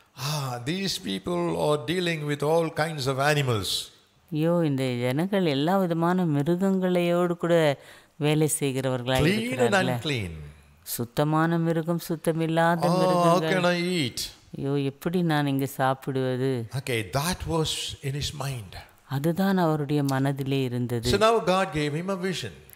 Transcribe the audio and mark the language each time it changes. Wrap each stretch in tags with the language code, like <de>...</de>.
<en>Ah, these people are dealing with all kinds of animals.</en> <ta>யோ, இந்த ஜனங்கள் எல்லா விதமான மிருகங்களையோடு கூட வேலை செய்கிறவர்களாக இருக்கிறார்கள்.</ta> <en>Clean and unclean.</en> <ta>சுத்தமான மிருகம், சுத்தமில்லாத மிருகங்கள்.</ta> <en>How can I eat?</en> <ta>யோ எப்படி நான் இங்க சாப்பிடுவது.</ta> <en>Okay, that was in his mind.</en> <ta>அதுதான் அவருடைய மனதிலே இருந்தது.</ta> <en>So now God gave him a vision.</en>